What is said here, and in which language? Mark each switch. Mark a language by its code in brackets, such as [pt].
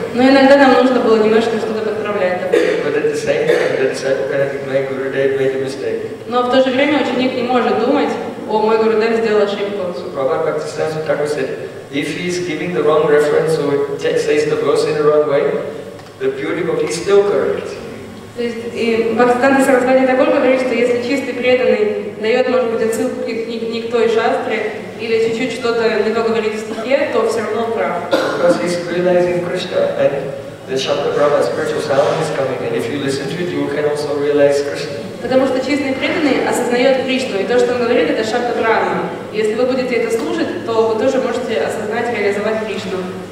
[ru] Но иногда нам нужно было немножко что-то подправлять. [en] But at the same time, the disciple cannot think, my Gurudev made a mistake. [ru] Но в то же время ученик не может думать, о, мой Гурудев сделал ошибку. [en] So Prabhupada Bhaktisiddhanta Thakur said, if he is giving the wrong reference or says the verse in the wrong way, the pure devotee is still correct. [ru] То есть, и Бхактисиддханта Сарасвати Тхакур говорит, что если чистый преданный дает, может быть, отсылку не к той шастре, или чуть-чуть что-то не то говорит в стихе, то все равно прав. [en] Because he's realizing Krishna, and the Shabda Brahma, spiritual sound is coming, and if you listen to it, you can also realize Krishna. [ru] Потому что честный преданный осознает Кришну, и то, что он говорит, это Шабда Брахма. Если вы будете это слушать, то вы тоже можете осознать, реализовать Кришну.